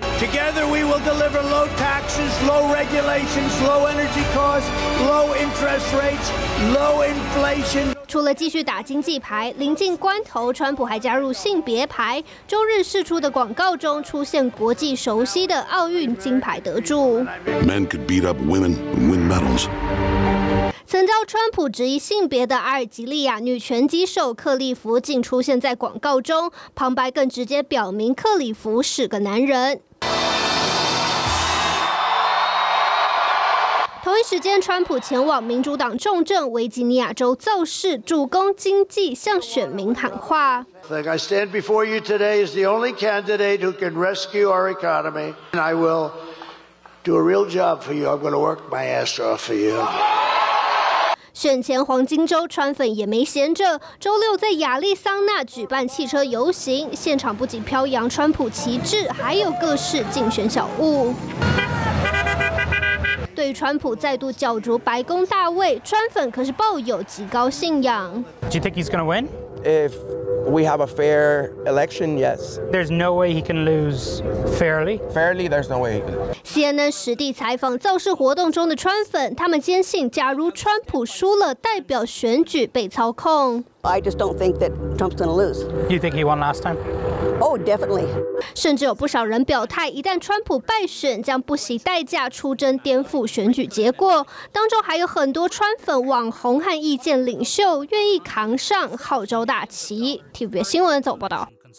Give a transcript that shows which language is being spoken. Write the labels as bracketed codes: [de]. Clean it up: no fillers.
[en] Together we will deliver low taxes, low regulations, low energy costs, low interest rates, low inflation. [zh] 除了继续打经济牌，临近关头，川普还加入性别牌。周日释出的广告中出现国际熟悉的奥运金牌得主。 [en] Men could beat up women and win medals. [zh] 曾遭川普质疑性别的阿尔及利亚女拳击手克利夫竟出现在广告中，旁白更直接表明克利夫是个男人。同一时间，川普前往民主党重镇维吉尼亚州造势，主攻经济，向选民喊话。 [en] I stand before you today as the only candidate who can rescue our economy, and I will do a real job for you. I'm going to work my ass off for you. [zh] 选前黄金周，川粉也没闲着，周六在亚利桑那举办汽车游行，现场不仅飘扬川普旗帜，还有各式竞选小物。对于川普再度角逐白宫大位，川粉可是抱有极高信仰。 [en] Do you think he's gonna win? If we have a fair election, yes. There's no way he can lose fairly. Fairly, there's no way he can lose. [zh] CNN 实地采访造势活动中的川粉，他们坚信，假如川普输了，代表选举被操控。 [en] I just don't think that Trump's going to lose. You think he won last time? Oh, definitely. [zh] 甚至有不少人表态，一旦川普败选，将不惜代价出征颠覆选举结果。当中还有很多川粉、网红和意见领袖愿意扛上号召大旗。 TVBS 新闻总报道。